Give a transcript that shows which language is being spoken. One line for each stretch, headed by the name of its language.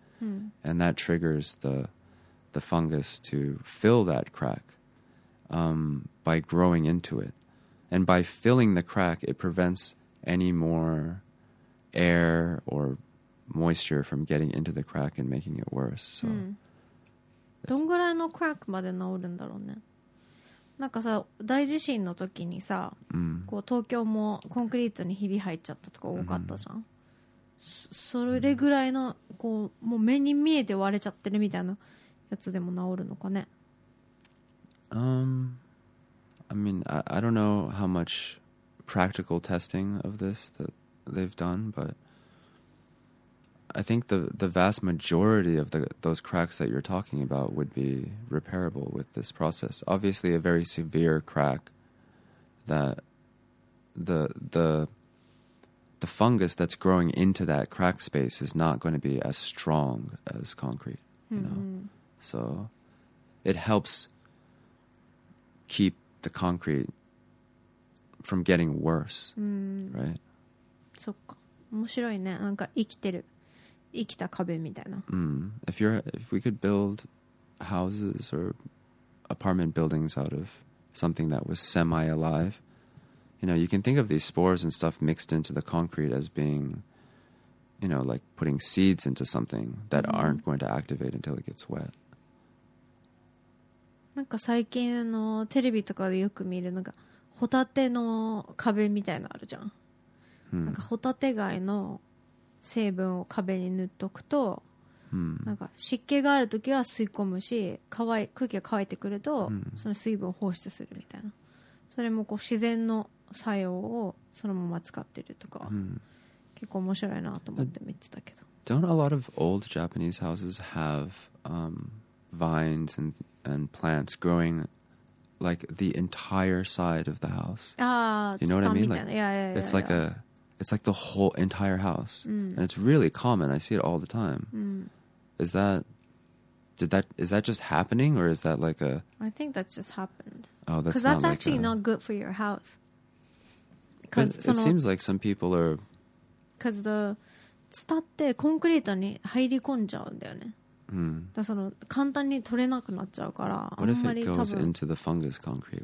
English: And that triggers the fungus to fill that crack by growing into it. And by filling the crack, it prevents any more air or moisture from getting into the crack and making it worse. So,
Japanese: どんぐらいのクラックまで治るんだろうね。なんかさ、大地震の時にさ、こう東京もコンクリートにひび入っちゃったとか多かったじゃん。それぐらいのこうもう目に見えて割れちゃってるみたいなやつでも治るのかね。
English: I mean, I don't know how much practical testing of this that they've done, but I think the vast majority of those cracks that you're talking about would be repairable with this process. Obviously, a very severe crack that the fungus that's growing into that crack space is not going to be as strong as concrete, you know. So it helps keep the concrete from getting worse, right?
Japanese: そっか、面白いね。なんか生きてる、生きた壁みたいな。
English: If we could build houses or apartment buildings out of something that was semi-alive, you know, you can think of these spores and stuff mixed into the concrete as being, you know, like putting seeds into something that aren't going to activate until it gets wet.
Japanese: なんか最近のテレビとかでよく見るのがホタテの壁みたいなのあるじゃん。なんかホタテ貝の成分を壁に塗っとくと、なんか湿気があるときは吸い込むし、空気が乾いてくると、その水分を放出するみたいな。それもこう自然の作用をそのまま使ってるとか、結構面白いなと思って見てたけど。
English: Don't a lot of old Japanese houses have vines and plants growing like the entire side of the house? You know what I mean? Like, it's like the whole entire house, and it's really common. I see it all the time. Is that just happening, or is that like a? I think that's just happened. Oh, that's because that's like actually not good for your house. Because it seems like some people are. Because the,
Japanese: 伝ってコンクリートに入り込んじゃうんだよね。だからその簡単に取れなくなっちゃうから。
English: What if it goes into the fungus concrete?